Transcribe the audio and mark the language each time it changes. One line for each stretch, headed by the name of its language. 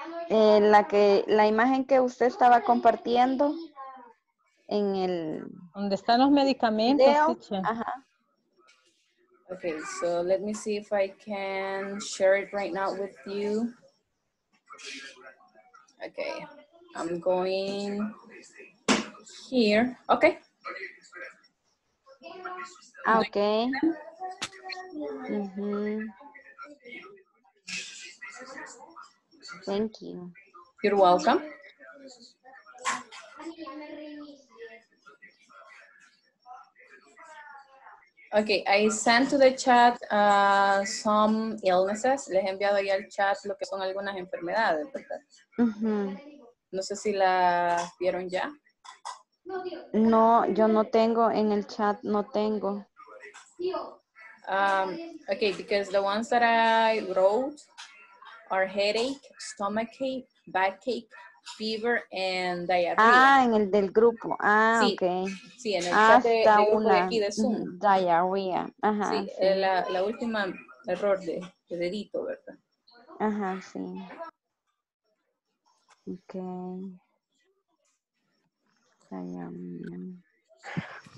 Spanish: La imagen que usted estaba compartiendo en el... ¿Dónde están los medicamentos, video? Teacher. Ajá.
English: Okay, so let me see if I can share it right now with you. Okay, I'm going here. Okay. Okay. Mm-hmm. Thank you. You're welcome. Okay, I sent to the chat some illnesses.
Spanish: Les he enviado ahí al chat lo que son algunas enfermedades, ¿verdad? Mm-hmm. No sé si las vieron ya. No, yo no tengo en el chat, no tengo.
English: Okay, because the ones that I wrote are headache, stomachache, backache, fever, and diarrhea.
Spanish: Ah, en el del grupo. Ah, sí. Okay. Sí, en el chat de grupo de aquí de Zoom.
English: Diarrhea. Ajá.
Spanish: Sí, sí. La última error de dedito, ¿verdad? Ajá, sí. Okay.
English: Diarrhea.